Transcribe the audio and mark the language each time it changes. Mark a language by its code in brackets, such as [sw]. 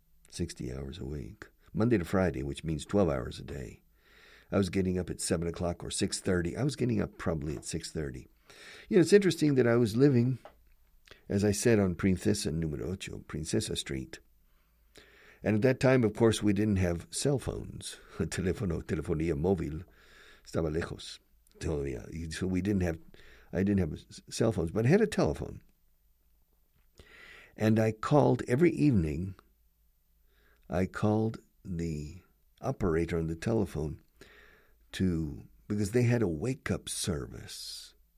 [en] 60 hours a week. Monday to Friday, which means 12 hours a day. I was getting up at 7 o'clock or 6:30. I was getting up probably at 6:30. You know, it's interesting that I was living, as I said, on Princesa Número 8, Princesa Street. And at that time, of course, we didn't have cell phones. [es] Telefonía móvil estaba lejos todavía. [en] So I didn't have cell phones, but I had a telephone. And I called every evening. I called the operator on the telephone because they had a wake-up service.